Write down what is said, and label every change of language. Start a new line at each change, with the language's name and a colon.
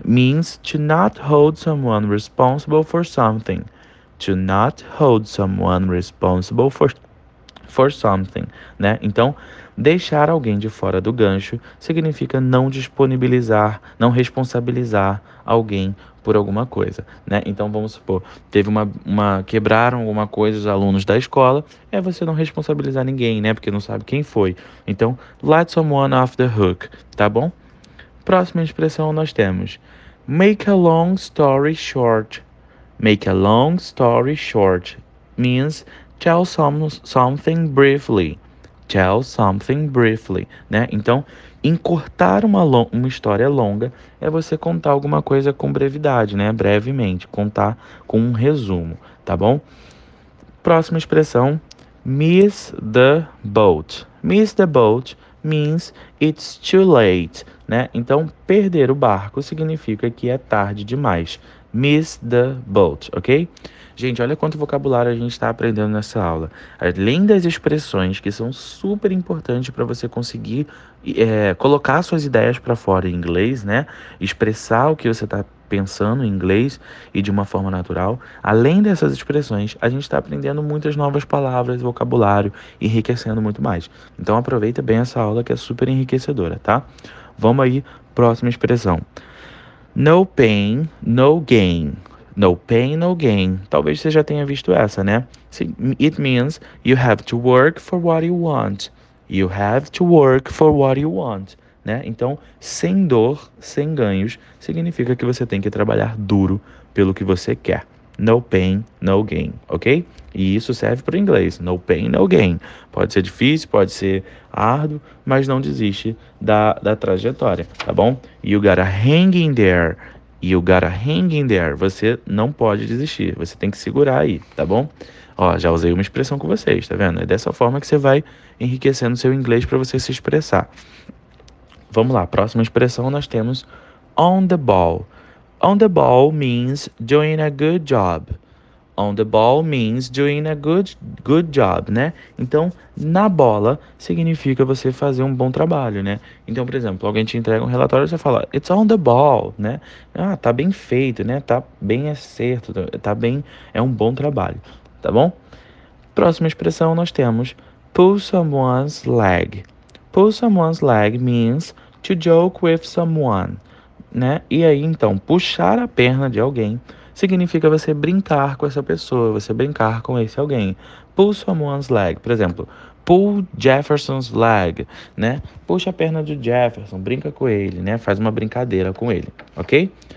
English: Means to not hold someone responsible for something. To not hold someone responsible for something, né?
Portuguese: Então, deixar alguém de fora do gancho significa não disponibilizar, não responsabilizar alguém por alguma coisa, né? Então, vamos supor, teve uma quebraram alguma coisa os alunos da escola, é você não responsabilizar ninguém, né? Porque não sabe quem foi. Então,
English: let someone off the hook,
Portuguese: tá bom? Próxima expressão nós temos
English: make a long story short. Make a long story short means Tell something briefly. Tell something briefly, né?
Portuguese: Então, encurtar uma história longa é você contar alguma coisa com brevidade, né? Brevemente, contar com um resumo, tá bom? Próxima expressão: miss the boat.
English: Miss the boat means it's too late, né?
Portuguese: Então, perder o barco significa que é tarde demais.
English: Miss the boat, ok?
Portuguese: Gente, olha quanto vocabulário a gente está aprendendo nessa aula. Além das expressões que são super importantes para você conseguir colocar suas ideias para fora em inglês, né? Expressar o que você está pensando em inglês e de uma forma natural. Além dessas expressões, a gente está aprendendo muitas novas palavras, vocabulário, enriquecendo muito mais. Então aproveita bem essa aula que é super enriquecedora, tá? Vamos aí, próxima expressão.
English: No pain, no gain. No pain, no gain.
Portuguese: Talvez você já tenha visto essa, né?
English: It means you have to work for what you want. You have to work for what you want, né?
Portuguese: Então, sem dor, sem ganhos, significa que você tem que trabalhar duro pelo que você quer.
English: No pain, no gain, ok?
Portuguese: E isso serve para o inglês.
English: No pain, no gain.
Portuguese: Pode ser difícil, pode ser árduo, mas não desiste da trajetória, tá bom?
English: You gotta hang in there. You gotta hang in there.
Portuguese: Você não pode desistir. Você tem que segurar aí, tá bom? Ó, já usei uma expressão com vocês, tá vendo? É dessa forma que você vai enriquecendo seu inglês para você se expressar. Vamos lá, próxima expressão nós temos on the ball.
English: On the ball means doing a good job. On the ball means doing a good job, né?
Portuguese: Então, na bola significa você fazer um bom trabalho, né? Então, por exemplo, alguém te entrega um relatório, você fala,
English: it's on the ball,
Portuguese: né? Ah, tá bem feito, né? Tá bem acerto, tá bem, é um bom trabalho, tá bom? Próxima expressão nós temos
English: pull someone's leg. Pull someone's leg means to joke with someone, né?
Portuguese: E aí, então, puxar a perna de alguém significa você brincar com essa pessoa, você brincar com esse alguém.
English: Pull someone's leg,
Portuguese: por exemplo,
English: pull Jefferson's leg, né?
Portuguese: Puxa a perna do Jefferson, brinca com ele, né? Faz uma brincadeira com ele, ok?